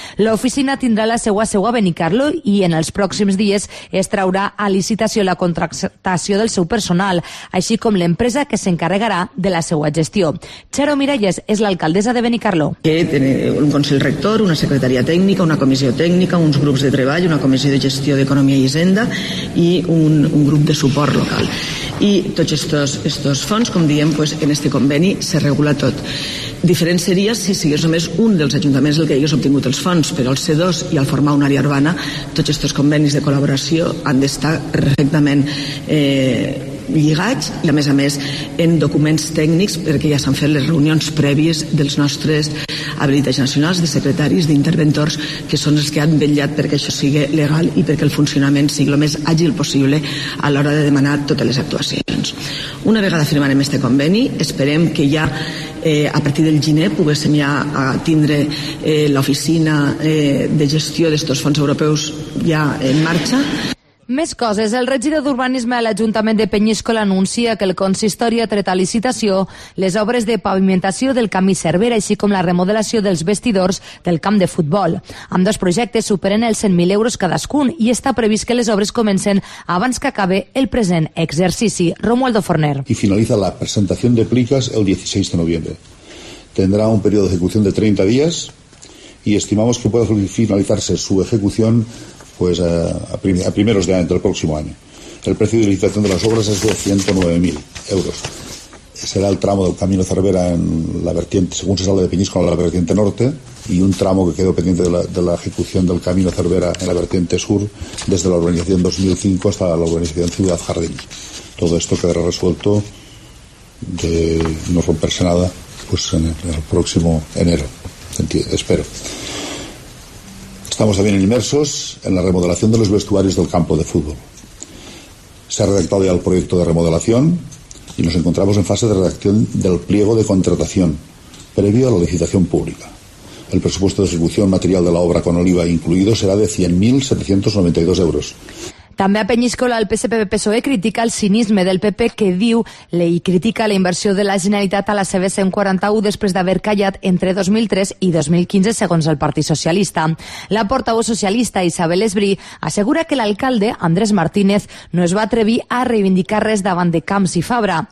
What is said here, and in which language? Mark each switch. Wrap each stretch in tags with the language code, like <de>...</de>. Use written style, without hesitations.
<ca>L'oficina tindrà la seua seu a Benicarló i en els pròxims dies es traurà a licitació la contractació del seu personal, així com l'empresa que s'encarregarà de la seua gestió. Xero Miralles és l'alcaldessa de Benicarló. Que té un consell rector, una secretaria tècnica, una comissió tècnica, uns grups de treball, una comissió de gestió d'economia i hisenda i un grup de suport local. I tots estos fons, com diem, pues en este conveni se regula tot. Diferent seria si sigués només un dels ajuntaments el que hagués obtingut els fons, però el C2 i el formar una àrea urbana, tots aquests convenis de col·laboració han d'estar perfectament lligats i a més en documents tècnics, perquè ja s'han fet les reunions prèvies dels nostres habilitats nacionals, de secretaris, d'interventors, que són els que han vetllat perquè això sigui legal i perquè el funcionament sigui el més àgil possible a l'hora de demanar totes les actuacions. Una vegada firmarem este conveni, esperem que ja a partir del gener poguéssim ja tindre l'oficina de gestió d'aquests fons europeus ja en marxa. Més coses. El regidor d'Urbanisme a l'Ajuntament de Peníscola anuncia que el consistori ha tret a licitació les obres de pavimentació del camí Cervera, així com la remodelació dels vestidors del camp de futbol. Amb dos projectes superen els 100.000 euros cadascun i està previst que les obres comencen abans que acabe el present exercici. Romualdo Forner.</ca> <es>Y finaliza la presentación de plicas el 16 de noviembre. Tendrá un periodo de ejecución de 30 días y estimamos que pueda finalizarse su ejecución pues a primeros de año, del próximo año. El precio de licitación de las obras es de 109.000 euros. Será el tramo del Camino Cervera en la vertiente, según se sale de Peníscola, la vertiente norte, y un tramo que quedó pendiente de la ejecución del Camino Cervera en la vertiente sur, desde la urbanización 2005 hasta la urbanización Ciudad Jardín. Todo esto quedará resuelto de no romperse nada pues en el próximo enero, espero. Estamos también inmersos en la remodelación de los vestuarios del campo de fútbol. Se ha redactado ya el proyecto de remodelación y nos encontramos en fase de redacción del pliego de contratación previo a la licitación pública. El presupuesto de ejecución material de la obra con el IVA incluido será de 100.792 euros.</es> <ca>També a Peníscola el PSPP-PSOE critica el cinisme del PP, que diu i critica la inversió de la Generalitat a la CB141 després d'haver callat entre 2003 i 2015, segons el Partit Socialista. La portaveu socialista Isabel Esbrí assegura que l'alcalde, Andrés Martínez, no es va atrevir a reivindicar res davant de Camps i Fabra.</ca>